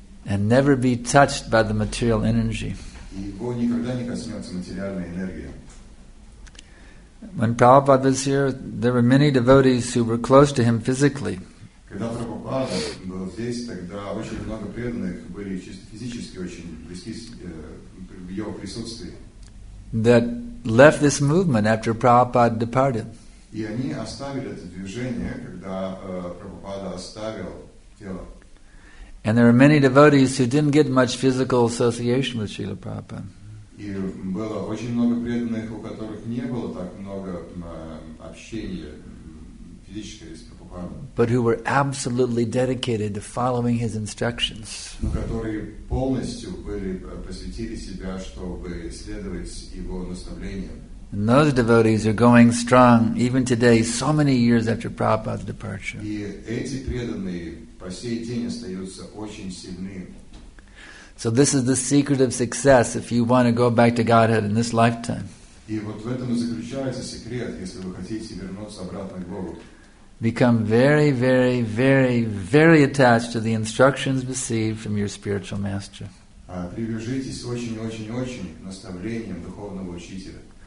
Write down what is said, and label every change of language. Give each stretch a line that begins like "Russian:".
English: And never be touched by the material energy.
Russian: И его никогда не коснется материальная энергия.
English: When Prabhupada was here, there were many devotees who were close to him physically.
Russian: Когда Прабхупада был здесь, тогда очень много преданных были чисто физически очень близки в его присутствии.
English: That left this movement after Prabhupada departed.
Russian: И они оставили это движение, когда Прабхупада оставил тело.
English: And there were many devotees who didn't get much physical association with Srila Prabhupada.
Russian: И было очень много преданных, у которых не было так много общения физического с Прабхупадой.
English: But who were absolutely dedicated to following his instructions.
Russian: Но которые полностью были посвятили себя, чтобы следовать его наставлениям.
English: And those devotees are going strong even today, so many years after Prabhupada's departure.
Russian: И эти преданные по сей день остаются очень сильны.
English: So this is the secret of success if you want to go back to Godhead in this lifetime.
Russian: И вот в этом и заключается секрет, если вы хотите вернуться обратно к Богу.
English: Become very, very, very, very attached to the instructions received from your spiritual master.
Russian: Привяжитесь очень-очень-очень к наставлениям духовного учителя.